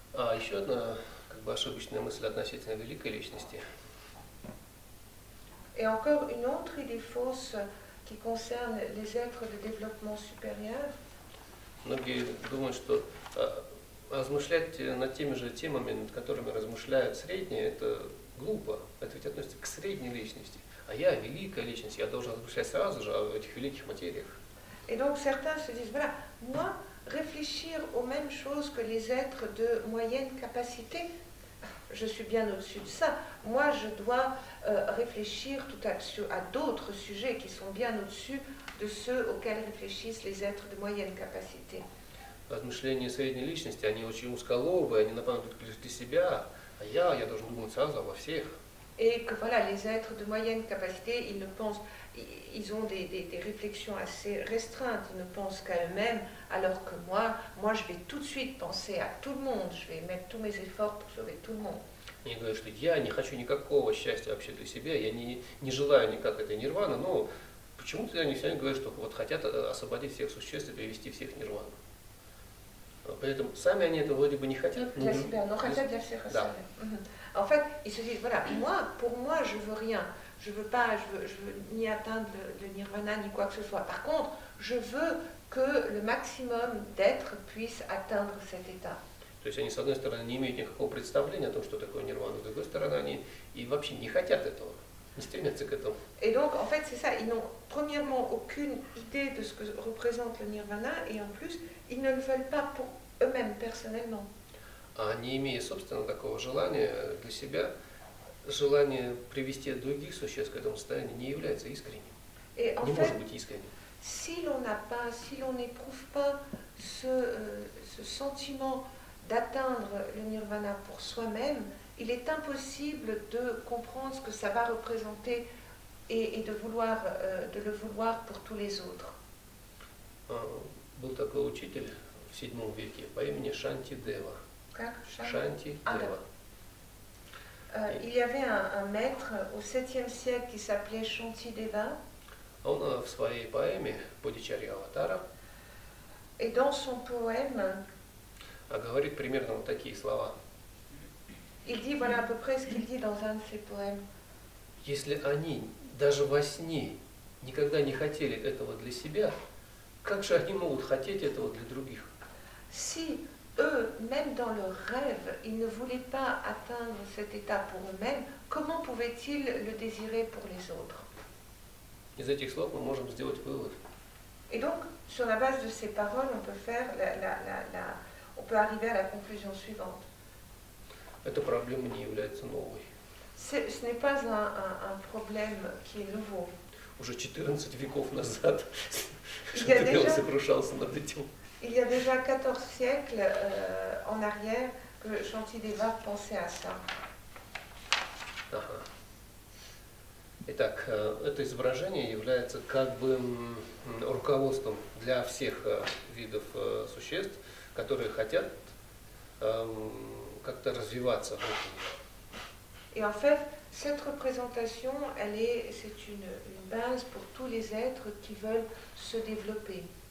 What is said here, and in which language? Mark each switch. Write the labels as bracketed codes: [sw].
[ru] А еще одна как бы ошибочная мысль относительно великой личности. [fr] Et encore une autre idée fausse qui concerne les êtres de développement supérieur. [ru] Многие думают, что размышлять над теми же темами, над которыми размышляют средние, это глупо. Это ведь относится к средней личности. А я великая личность, я должен размышлять сразу же о этих великих материях. [fr] Et donc certains se disent, voilà, moi, réfléchir aux mêmes choses que les êtres de moyenne capacité, je suis bien au-dessus de ça. Moi, je dois réfléchir à d'autres sujets qui sont bien au-dessus de ceux auxquels réfléchissent les êtres de moyenne capacité. [ru] Размышления средней личности, они очень узколобы, они напоминают лишь для себя. А я должен думать сразу обо всех. [fr] Et que voilà, les êtres de moyenne capacité, ils ne pensent, ils ont des réflexions assez restreintes, ils ne pensent qu'à eux-mêmes, alors que moi, je vais tout de suite penser à tout le monde, je vais mettre tous mes efforts pour sauver tout le monde. [ru] Они говорят, что я не хочу никакого счастья вообще для себя, я не желаю никак этой нирваны, но почему-то они все говорят, что вот хотят освободить всех существ и привести всех в нирвану. Поэтому сами они это вроде бы не хотят. Для себя, но хотят для всех остальных. Да. [fr] En fait, ils se disent, voilà, moi, pour moi, je veux rien. Je veux pas, je veux ni atteindre le nirvana, ni quoi que ce soit. Par contre, je veux que le maximum d'êtres puissent atteindre cet état. [ru] То есть они, с одной стороны, не имеют никакого представления о том, что такое нирвана, с другой стороны, они и вообще не хотят этого, не стремятся к этому. [fr] Et donc, en fait, c'est ça. Ils n'ont, premièrement, aucune idée de ce que représente le nirvana, et en plus, ils ne le veulent pas pour eux-mêmes, personnellement. [ru] А не имея, собственно, такого желания для себя, желание привести других существ к этому состоянию не является искренним. [fr] Et [ru] не [fr] en [ru] может [fr] fait, [ru] быть искренним. [fr] Si l'on n'a pas, si l'on n'éprouve pas ce sentiment d'atteindre le nirvana pour soi-même, il est impossible de comprendre ce que ça va représenter et de vouloir de le vouloir pour tous les autres. [ru] Был такой учитель в VII веке по имени Шантидева. Как? Шантидева. [fr] Il y avait un maître au 7e siècle qui s'appelait Shantideva. [ru] Он в своей поэме «Подичарья аватара» [fr] et dans son poème, [ru] говорит примерно вот такие слова. [fr] Il dit voilà à peu près ce qu'il dit dans un de ses poèmes. [ru] Если они даже во сне никогда не хотели этого для себя, как же они могут хотеть этого для других? [fr] Si eux, même dans leur rêve, ils ne voulaient pas atteindre cet état pour eux-mêmes, comment pouvaient-ils le désirer pour les autres? [ru] Из этих слов мы можем сделать вывод. [fr] Et donc, sur la base de ces paroles, on peut faire on peut arriver à la conclusion suivante. [ru] Эта проблема не является новой. [fr] Ce n'est pas un problème qui est nouveau. [ru] Уже 14 веков назад Шантидева сокрушался над этим. [fr] Il y a déjà 14 siècles en arrière que Шантидева pensait à ça. Ага. [ru] Итак, это изображение является как бы руководством для всех видов существ, которые хотят как-то развиваться. [fr] Et en fait, cette représentation, c'est une base pour tous les êtres qui veulent se développer.